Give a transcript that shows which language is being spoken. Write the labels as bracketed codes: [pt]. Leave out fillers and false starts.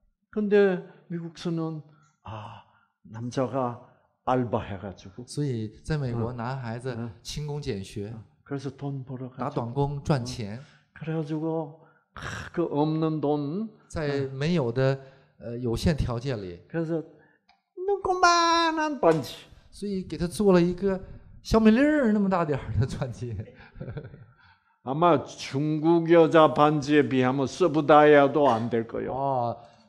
[ko] 근데 미국에서는 남자가 알바해가지고. [zh] 所以在美国男孩子勤工俭学。 [ko] 그래서 돈 벌어 가지고 [zh] 打短工赚钱。 [ko] 그래가지고 그 없는 돈 [zh] 在没有的有限条件里。 [ko] 그래서 눈꼽만한 반지. [zh] 所以给他做了一个小米粒儿那么大点儿的钻戒。 [ko] 아마 중국 여자 반지에 비하면 서브다이아도 안 될 거예요.